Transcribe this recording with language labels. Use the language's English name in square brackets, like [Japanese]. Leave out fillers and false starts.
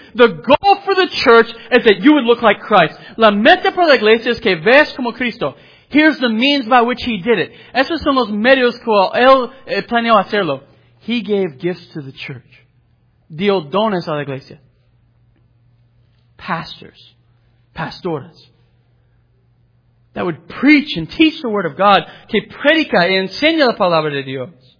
[English] The goal for the church is that you would look like Christ. [Spanish] La meta para la iglesia es que veas como Cristo. [English] Here's the means by which He did it. [Spanish] Esos son los medios que Él planeó hacerlo. [English] He gave gifts to the church. [Spanish] Dio dones a la iglesia. [English] Pastors. Pastoras. That would preach and teach the Word of God. [Spanish] Que predica y enseña la Palabra de Dios.